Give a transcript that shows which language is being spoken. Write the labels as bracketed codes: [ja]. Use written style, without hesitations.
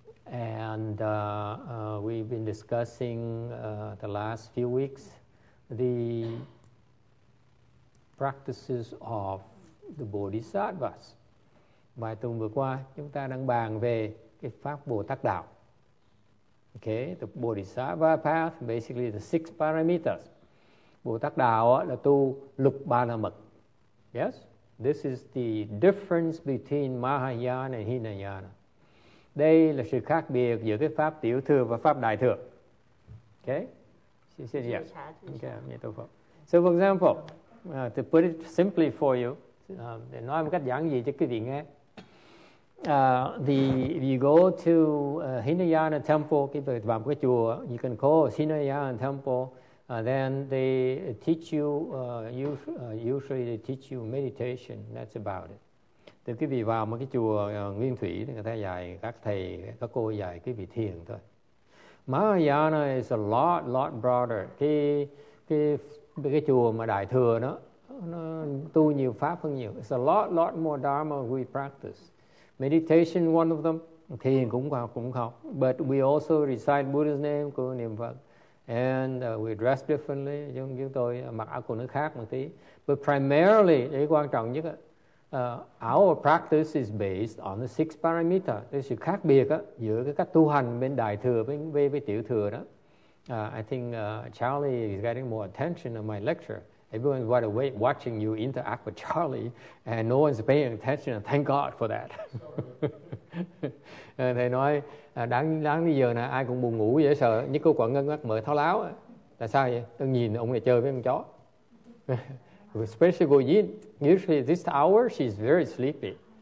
[en] And we've been discussing the last few weeks the practices of the Bodhisattvas. [vi] Bài tuần vừa qua chúng ta đang bàn về cái pháp Bồ Tát đạo. [en] Okay, the Bodhisattva path, basically the six parameters. [vi] Bồ Tát đạo là tu lục ba la mật. [en] Yes, this is the difference between Mahayana and Hinayana. [vi] Đây là sự khác biệt giữa cái pháp tiểu thừa và pháp đại thừa. [en] Okay, xin xin yes. Okay, so for example, to put it simply for you, [vi] để nói một cách giản dị cho quý vị nghe. [en] If you go to Hinayana temple, [vi] vào một cái chùa, [en] you can call Hinayana temple, then they teach you, usually they teach you meditation, that's about it. [vi] Thì quý vị vào một cái chùa nguyên thủy, người ta dạy các thầy, các cô dạy quý vị thiền thôi. [en] Mahayana is a lot broader. Cái [vi] chùa mà đại thừa đó, nó tu nhiều pháp hơn nhiều. [en] It's a lot more dharma we practice. Meditation, one of them. [vi] Thiền cũng không. [en] But we also recite Buddha's name, [vi] cô niệm Phật. [en] And we dress differently. [vi] Chúng tôi mặc áo quần nó khác một tí. [en] But primarily, [vi] cái quan trọng nhất á, [en] our practice is based on the six parameter. [vi] Cái sự khác biệt á, giữa cái cách tu hành bên đại thừa với tiểu thừa đó. [en] I think Charlie is getting more attention in my lecture. Everyone's wide awake watching you interact with Charlie, and no one's paying attention, and thank God for that. [vi] Thầy nói, đáng giờ này ai cũng buồn ngủ dễ sợ, nhất cô quả ngân mắt mở tháo láo. Tại sao vậy? Tôi nhìn ông này chơi với con chó. [en] Especially Goyin, usually this hour, she's very sleepy.